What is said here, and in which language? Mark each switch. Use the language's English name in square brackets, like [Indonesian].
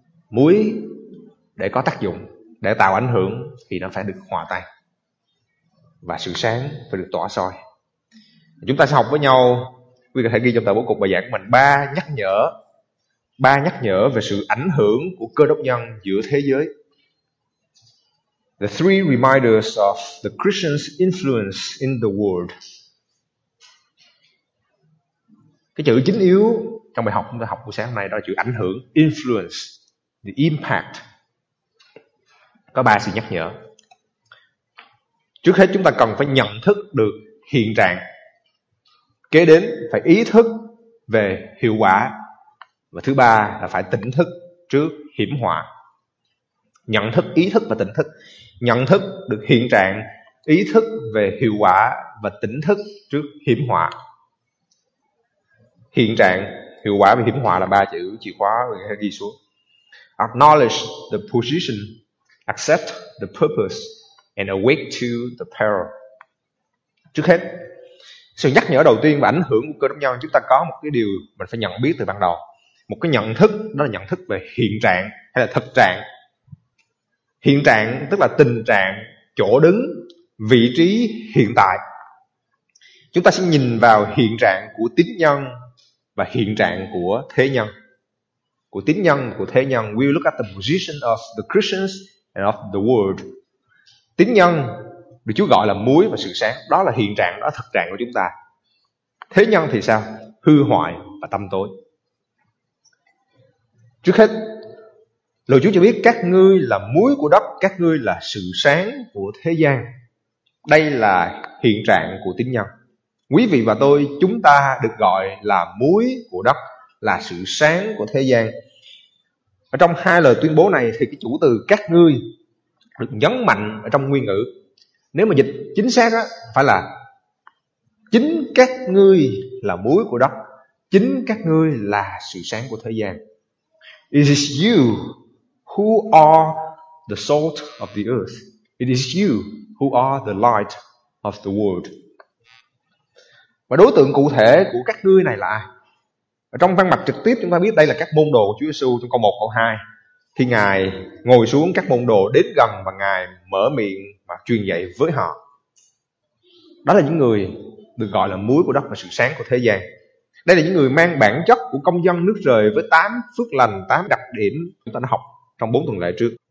[Vietnamese] Muối để có tác dụng, để tạo ảnh hưởng thì nó phải được hòa tan. Và sự sáng phải được tỏa soi. Chúng ta sẽ học với nhau, quý vị có thể ghi trong tờ bố cục bài giảng của mình, ba nhắc nhở về sự ảnh hưởng của cơ đốc nhân giữa thế giới. [English] The three reminders of the Christian's influence in the world. [Vietnamese] Cái chữ chính yếu trong bài học chúng ta học buổi sáng hôm nay đó là chữ ảnh hưởng, [English] influence, the impact. [Vietnamese] Có ba sự nhắc nhở. Trước hết chúng ta cần phải nhận thức được hiện trạng. Kế đến phải ý thức về hiệu quả. Và thứ ba là phải tỉnh thức trước hiểm họa. Nhận thức, ý thức và tỉnh thức. Nhận thức được hiện trạng, ý thức về hiệu quả và tỉnh thức trước hiểm họa. Hiện trạng, hiệu quả và hiểm họa là ba chữ chìa khóa mình sẽ ghi xuống. [English] Acknowledge the position, accept the purpose and awake to the peril. [Vietnamese] Trước hết, sự nhắc nhở đầu tiên và ảnh hưởng của Cơ Đốc nhân, chúng ta có một cái điều mình phải nhận biết từ ban đầu. Một cái nhận thức, đó là nhận thức về hiện trạng hay là thực trạng. Hiện trạng tức là tình trạng, chỗ đứng, vị trí hiện tại. Chúng ta sẽ nhìn vào hiện trạng của tín nhân và hiện trạng của thế nhân. Của tín nhân, của thế nhân. [English] We will look at the position of the Christians and of the world. [Vietnamese] Tín nhân được Chúa gọi là muối và sự sáng. Đó là hiện trạng, đó là thực trạng của chúng ta. Thế nhân thì sao? Hư hoại và tâm tối. Trước hết, Lời Chúa cho biết các ngươi là muối của đất, các ngươi là sự sáng của thế gian. Đây là hiện trạng của tín nhân. Quý vị và tôi, chúng ta được gọi là muối của đất, là sự sáng của thế gian. Ở trong hai lời tuyên bố này thì cái chủ từ các ngươi được nhấn mạnh ở trong nguyên ngữ. Nếu mà dịch chính xác á, phải là chính các ngươi là muối của đất, chính các ngươi là sự sáng của thế gian. [English] It is you who are the salt of the earth. It is you who are the light of the world. [Vietnamese] Và đối tượng cụ thể của các ngươi này là ai? Ở trong văn mạch trực tiếp chúng ta biết đây là các môn đồ của Chúa Giêsu trong câu 1, câu 2. Khi Ngài ngồi xuống, các môn đồ đến gần và Ngài mở miệng và truyền dạy với họ. Đó là những người được gọi là muối của đất và sự sáng của thế gian. Đây là những người mang bản chất của công dân nước trời với 8 phước lành, 8 đặc điểm chúng ta đã học trong 4 tuần lễ trước.